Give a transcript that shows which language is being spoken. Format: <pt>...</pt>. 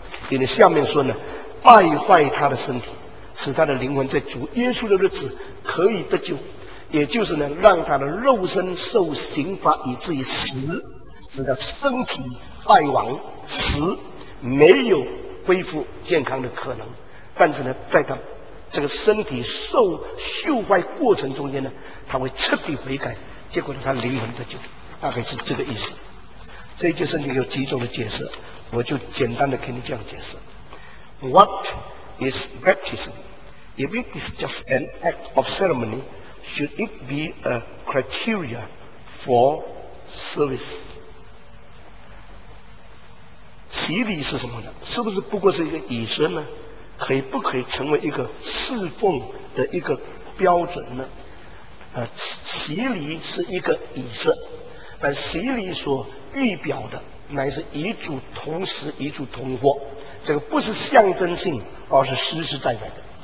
<zh>因为下面说呢，败坏他的身体，使他的灵魂在主耶稣的日子可以得救，也就是呢，让他的肉身受刑罚以至于死，使他身体败亡，死没有恢复健康的可能。但是呢，在他这个身体受朽坏过程中间呢，他会彻底悔改，结果他灵魂得救，大概是这个意思。这节圣经有几种的解释，我就简单的给你这样解释。</zh> <en>What is baptism? If it is just an act of ceremony, should it be a criteria for service?</en> <zh>洗礼是什么呢？是不是不过是一个仪式呢？可以不可以成为一个侍奉的一个标准呢？洗礼是一个仪式，但洗礼所预表的乃是与主同时，与主同活，这个不是象征性，而是实实在在的。</zh>